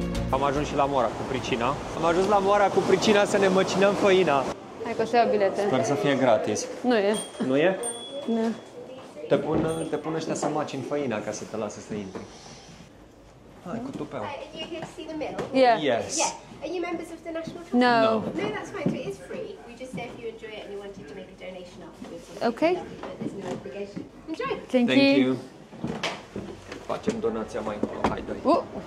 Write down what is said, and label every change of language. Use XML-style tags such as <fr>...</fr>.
<ro>Am ajuns și la Moara cu pricina. Am ajuns la Moara cu pricina să ne măcinăm făina. Hai că o să iau bilete. Sper să fie gratis. Nu e. Nu e? Nu. Te pun ăștia să macini făina ca să te lase să intri. Hai, cu tupeu.</ro> <en>You can see the middle? Yeah. Yes. Yeah. Are you members of the National Trust? No. No, that's fine. So it is free. We just say if you enjoy it and you wanted to make a donation afterwards. Okay. But there's no obligation. Enjoy. Thank you.</en> <ro>Facem donația mai încolo, hai, doi.</ro>